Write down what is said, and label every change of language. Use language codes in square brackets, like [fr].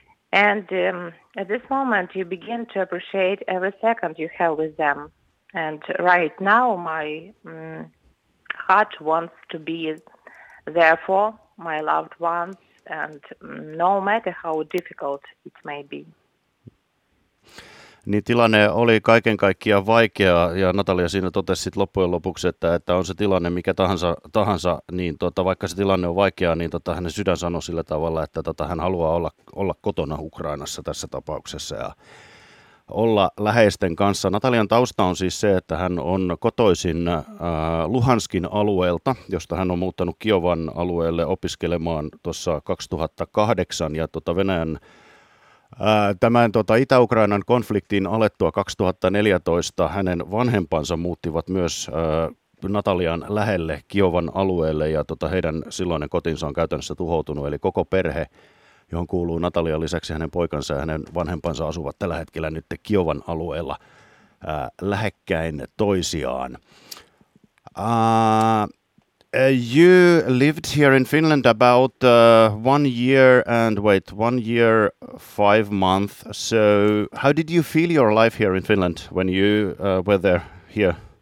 [en] And at this moment, you begin to appreciate every second you have with them. And right now, my heart wants to be there for my loved ones, and no matter how difficult it may be. [fi] Niin tilanne oli kaiken kaikkiaan vaikea, ja Natalia siinä totesi sitten loppujen lopuksi, että on se tilanne mikä tahansa, niin vaikka se tilanne on vaikea, niin hänen sydän sanoi sillä tavalla, että hän haluaa olla kotona Ukrainassa tässä tapauksessa ja olla läheisten kanssa. Natalian tausta on siis se, että hän on kotoisin Luhanskin alueelta, josta hän on muuttanut Kiovan alueelle opiskelemaan tuossa 2008, ja Venäjän tämän Itä-Ukrainan konfliktin alettua 2014 hänen vanhempansa muuttivat myös Natalian lähelle Kiovan alueelle, ja heidän silloinen kotinsa on käytännössä tuhoutunut, eli koko perhe, johon kuuluu Natalian lisäksi hänen poikansa ja hänen vanhempansa, asuvat tällä hetkellä nyt Kiovan alueella lähekkäin toisiaan. [en] You lived here in Finland about 1 year and, wait, 1 year, 5 months. So how did you feel your life here in Finland when you were there here?